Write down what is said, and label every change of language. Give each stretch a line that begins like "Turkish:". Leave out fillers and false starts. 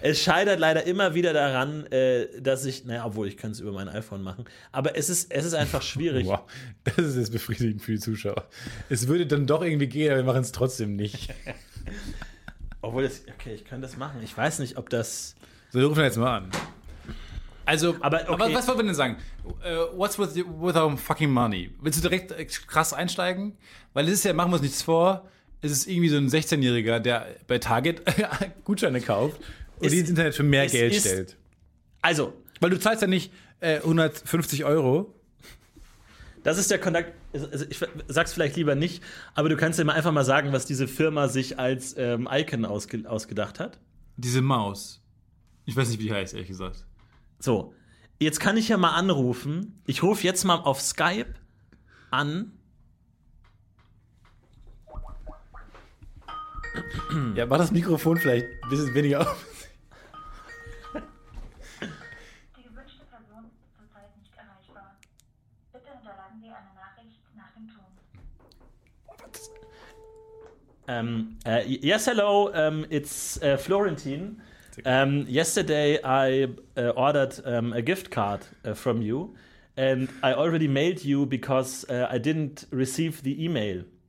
German: Es scheitert leider immer wieder daran, dass ich, naja, obwohl ich kann es über mein iPhone machen, aber es ist einfach schwierig. Wow, das ist jetzt befriedigend für die Zuschauer. Es würde dann doch irgendwie gehen, aber wir machen es trotzdem nicht. Obwohl, ich kann das machen. Ich weiß nicht, ob das... So, wir rufen jetzt mal an. Also, aber was wollen wir denn sagen?
English: What's with our fucking money?
German: Willst du direkt krass einsteigen? Weil es ist ja, machen wir uns nichts vor, es ist irgendwie so ein 16-Jähriger, der bei Target Gutscheine kauft und die ins Internet für mehr Geld stellt. Also. Weil du zahlst ja nicht 150 Euro. Das ist der Kontakt, also ich sag's vielleicht lieber nicht, aber du kannst ja mal einfach mal sagen, was diese Firma sich als Icon ausgedacht hat. Diese Maus. Ich weiß nicht, wie die heißt, ehrlich gesagt. So, jetzt kann ich ja mal anrufen. Ich rufe jetzt mal auf Skype an. Ja, mach das Mikrofon vielleicht ein bisschen weniger auf. Die gewünschte Person ist zurzeit nicht erreichbar. Bitte hinterlagen Sie eine Nachricht nach dem Ton.
English: Yes, hello, it's Florentin. Yesterday I ordered a gift card from you and I already mailed you because I didn't receive the email.